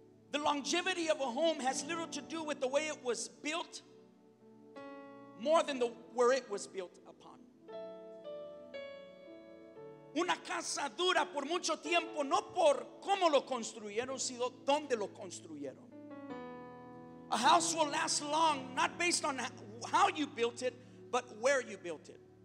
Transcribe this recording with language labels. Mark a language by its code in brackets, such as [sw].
[en] The longevity of a home has little to do with the way it was built, more than where it was built upon. [es] Una casa dura por mucho tiempo no por cómo lo construyeron, sino dónde lo construyeron. [en] A house will last long not based on how you built it, but where you built it.